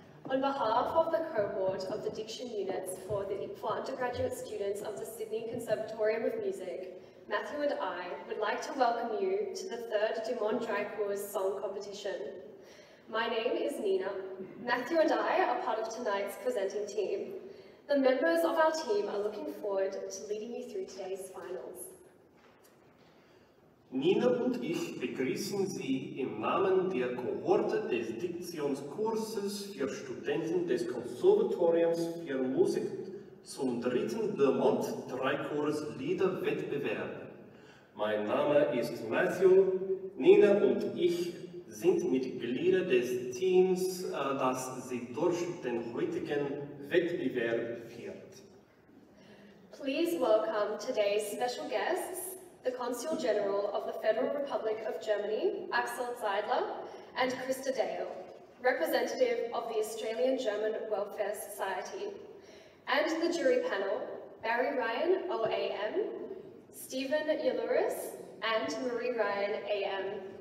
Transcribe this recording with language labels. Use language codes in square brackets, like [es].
[en] On behalf of the cohort of the Diction Units for undergraduate students of the Sydney Conservatorium of Music, Matthew and I would like to welcome you to the third Demant Dreikurs Song Competition. My name is Nina. Matthew and I are part of tonight's presenting team. The members of our team are looking forward to leading you through today's finals. [de] Nina und ich begrüßen Sie im Namen der Kohorte des Diktionskurses für Studenten des Konservatoriums für Musik zum dritten Demant Dreikurs Liederwettbewerb. Mein Name ist Matthew. Nina und ich sind Mitglieder des Teams, das Sie durch den heutigen Wettbewerb führt. [en] Please welcome today's special guests, the Consul General of the Federal Republic of Germany, Axel Zeidler, and Christa Dale, representative of the Australian German Welfare Society, and the jury panel, Barry Ryan, OAM, Stephen Yaluris, and Marie Ryan, AM.